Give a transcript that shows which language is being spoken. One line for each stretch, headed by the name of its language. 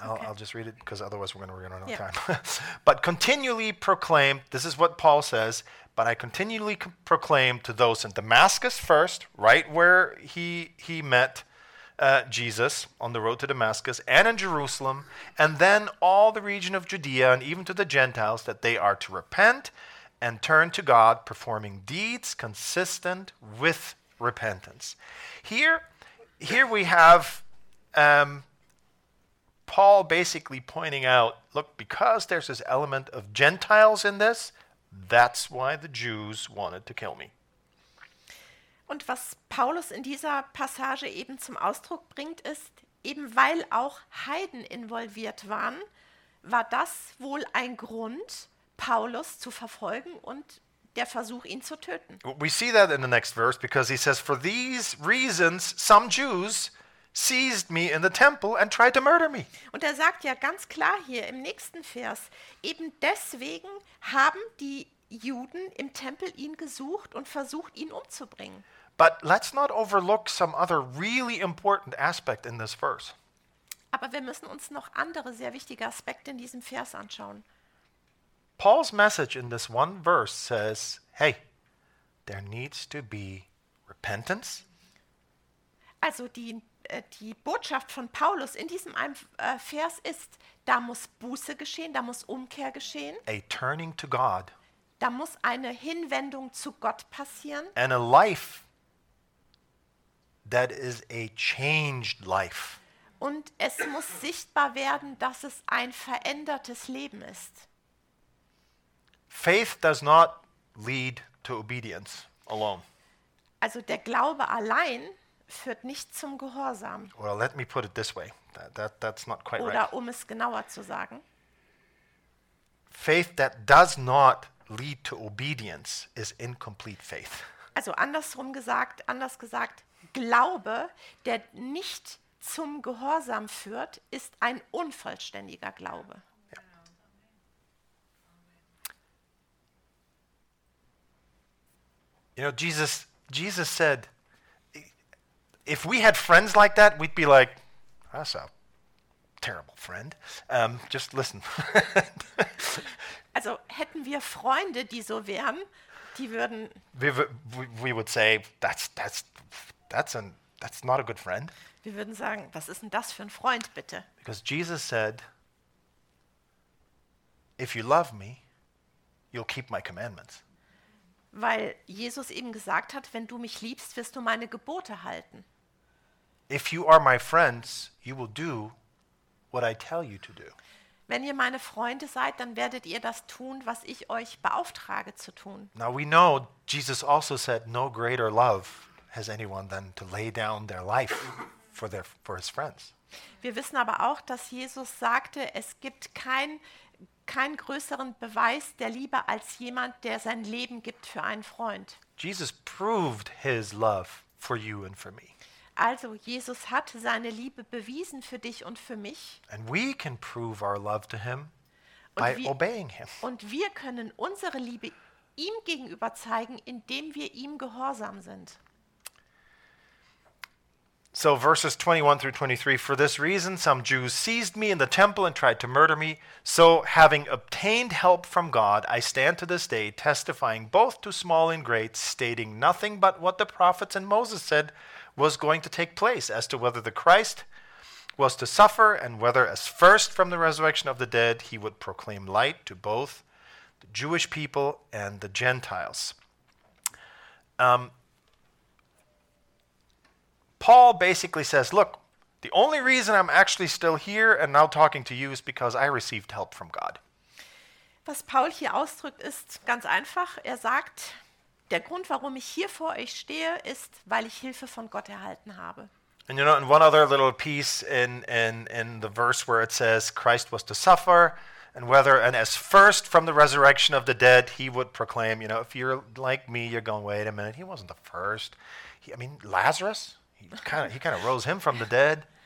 English: I'll just read it, because otherwise we're going to run out of time. But continually proclaim, this is what Paul says, but I continually proclaim to those in Damascus first, right where he met Jesus on the road to Damascus, and in Jerusalem, and then all the region of Judea, and even to the Gentiles, that they are to repent and turn to God, performing deeds consistent with repentance. Here we have Paul basically pointing out, look, because there's this element of Gentiles in this, that's why the Jews wanted to kill me.
German: Und was Paulus in dieser Passage eben zum Ausdruck bringt, ist, eben weil auch Heiden involviert waren, war das wohl ein Grund, Paulus zu verfolgen und der Versuch, ihn zu töten.
English: We see that in the next verse, because he says, for these reasons some Jews seized me in the temple and tried to murder me.
German: Und er sagt ja ganz klar hier im nächsten Vers, eben deswegen haben die Juden im Tempel ihn gesucht und versucht, ihn umzubringen.
English: But let's not overlook some other really important aspect in this verse.
German: Aber wir müssen uns noch andere sehr wichtige Aspekte in diesem Vers anschauen.
English: Paul's message in this one verse says, hey, there needs to be repentance.
German: Also die Botschaft von Paulus in diesem Vers ist, da muss Buße geschehen, da muss Umkehr geschehen.
English: A turning to God.
German: Da muss eine Hinwendung zu Gott passieren.
English: And a life that is a changed life.
German: Und es muss sichtbar werden, dass es ein verändertes Leben ist.
English: Faith does not lead to obedience alone.
German: Also der Glaube allein führt nicht zum Gehorsam.
English: Well, let me put it this way. That's not quite
German: Oder
English: right.
German: Um es genauer zu sagen.
English: Faith that does not lead to obedience is incomplete faith.
German: Also anders gesagt, Glaube, der nicht zum Gehorsam führt, ist ein unvollständiger Glaube.
English: Yeah. You know, Jesus said, if we had friends like that, we'd be like, that's a terrible friend. Just listen.
German: Also hätten wir Freunde, die so wären, die würden.
English: We would say that's not a good friend.
German: Wir würden sagen, was ist denn das für ein Freund, bitte?
English: Because Jesus said, if you love me, you'll keep my commandments.
German: Weil Jesus eben gesagt hat, wenn du mich liebst, wirst du meine Gebote halten.
English: If you are my friends, you will do what I tell you to do.
German: Wenn ihr meine Freunde seid, dann werdet ihr das tun, was ich euch beauftrage zu tun.
English: Now we know Jesus also said, no greater love has anyone than to lay down their life for his friends.
German: Wir wissen aber auch, dass Jesus sagte, es gibt keinen größeren Beweis der Liebe als jemand, der sein Leben gibt für einen Freund.
English: Jesus proved his love for you and for me.
German: Also Jesus hat seine Liebe bewiesen für dich und für mich.
English: And we can prove our love to him by obeying him.
German: Und wir können unsere Liebe ihm gegenüber zeigen, indem wir ihm gehorsam sind.
English: So verses 21 through 23, for this reason, some Jews seized me in the temple and tried to murder me. So having obtained help from God, I stand to this day testifying both to small and great, stating nothing but what the prophets and Moses said was going to take place as to whether the Christ was to suffer and whether as first from the resurrection of the dead, he would proclaim light to both the Jewish people and the Gentiles. Paul basically says, look, the only reason I'm actually still here and now talking to you is because I received help from God.
German: Was Paul hier ausdrückt, ist ganz einfach. Er sagt, der Grund, warum ich hier vor euch stehe, ist, weil ich Hilfe von Gott erhalten habe.
English: And you know, and one other little piece in the verse where it says Christ was to suffer and whether and as first from the resurrection of the dead he would proclaim, you know, if you're like me, you're going, wait a minute, he wasn't the first. Lazarus? He kind of rose him from the dead.